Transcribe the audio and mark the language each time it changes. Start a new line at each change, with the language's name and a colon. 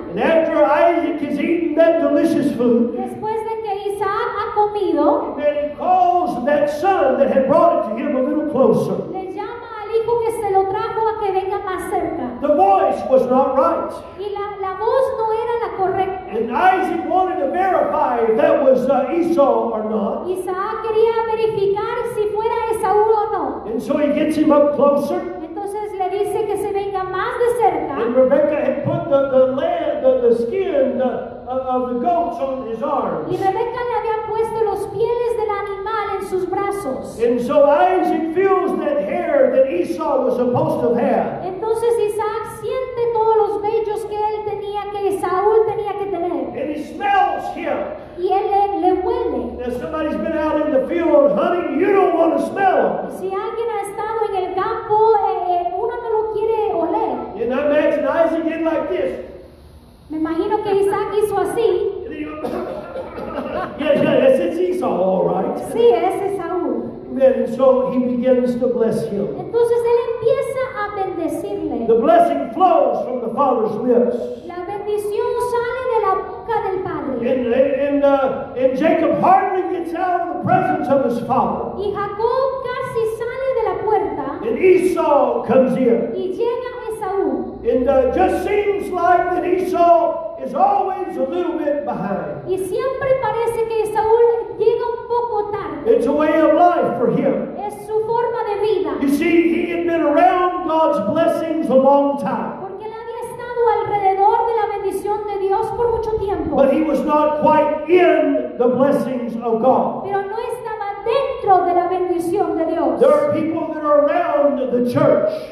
English: And after Isaac has eaten that delicious food,
Spanish: después de que Isaac ha comido,
English: then he calls that son that had brought it to him a little closer.
Spanish: Le llama al hijo que se lo trajo a que venga más cerca.
English: The voice was not right.
Spanish: Y la voz no era la correcta.
English: And Isaac wanted to verify if that was Esau or not.
Spanish: Isaac quería verificar si fuera Esau o no.
English: And so he gets him up closer.
Spanish: Dice que se venga más de cerca.
English: And Rebecca had put the skin of the goats on his arms.
Spanish: Y Rebecca le había puesto los pieles del animal en sus brazos.
English: And so Isaac feels that hair that Esau was supposed to have.
Spanish: Entonces Isaac siente todos los vellos que él tenía, que Esau tenía que tener.
English: And he smells him.
Spanish: Y él le huele.
English: If somebody's been out in the field hunting, you don't want to smell him.
Spanish: Si alguien ha estado en el campo,
English: and I imagine Isaac did like this.
Spanish: Me imagino que Isaac hizo así.
English: Yes, it's Esau, all right.
Spanish: Sí, es Esau.
English: And so he begins to bless him.
Spanish: Entonces él empieza a bendecirle.
English: The blessing flows from the father's lips.
Spanish: La bendición sale de la boca del padre.
English: And Jacob hardly gets out of the presence of his father.
Spanish: Y Jacob casi sale de la puerta.
English: And Esau comes in.
Spanish: Y llega.
English: And it just seems like that Esau is always a little bit behind.
Spanish: Y siempre parece que Esau llega un poco tarde.
English: It's a way of life for him.
Spanish: Es su forma de vida.
English: You see, he had been around God's blessings a long time.
Spanish: Porque él había estado alrededor de la bendición de Dios por mucho tiempo.
English: But he was not quite in the blessings of God.
Spanish: Pero no estaba dentro de la bendición de Dios.
English: There are people that are around the church.